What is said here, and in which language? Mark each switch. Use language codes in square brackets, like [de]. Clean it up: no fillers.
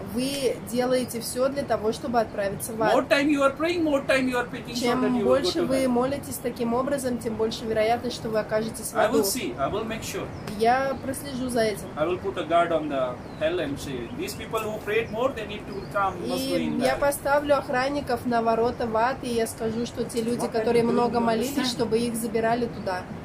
[ru] Вы делаете все для того, чтобы отправиться в ад. [en] More time you are praying, more time you are making sure that you will go to [ru] Чем больше вы молитесь таким образом, тем больше вероятность, что вы окажетесь в аду. [en] I will see. I will make sure. [ru] Я прослежу за этим. [en] I will put a guard on the hell and say, these people who prayed more, they need to come. [ru] И я поставлю охранников на ворота в ад, и я скажу, что те люди, которые много молились, чтобы их забирали туда.